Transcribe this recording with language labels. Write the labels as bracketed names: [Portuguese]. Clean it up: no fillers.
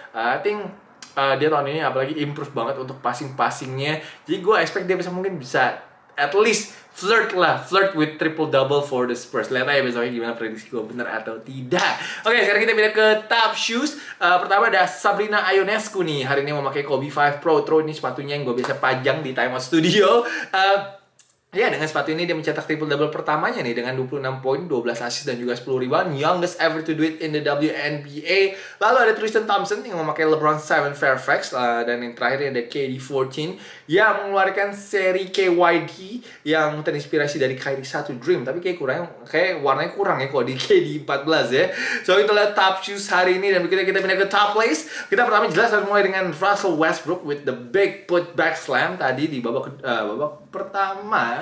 [English] I think [Indonesian] dia tahun ini apalagi improve banget untuk passing-passingnya. Jadi gue expect dia bisa [English] at least flirt lah, flirt with triple-double for the Spurs. [Indonesian] Lihat aja besoknya gimana prediksi gue bener atau tidak. Oke, okay, sekarang kita pindah ke top shoes. Pertama ada Sabrina Ionescu nih. Hari ini memakai Kobe 5 Pro Throw. Ini sepatunya yang gue biasa pajang di Time Out Studio. Ya, dengan sepatu ini dia mencetak triple-double pertamanya nih dengan 26 poin, 12 assist dan juga 10 rebound. [English] Youngest ever to do it in the WNBA. [Indonesian] Lalu ada Tristan Thompson yang memakai LeBron 7 Fairfax. Dan yang terakhir ada KD14 yang mengeluarkan seri KYD yang terinspirasi dari Kyrie 1 Dream. Tapi kayak warnanya kurang ya kalau di KD14 ya. So, itulah top shoes hari ini. Dan berikutnya kita pindah ke top place. Kita pertama jelas harus mulai dengan Russell Westbrook [English] with the big putback slam [Indonesian] tadi di babak pertama.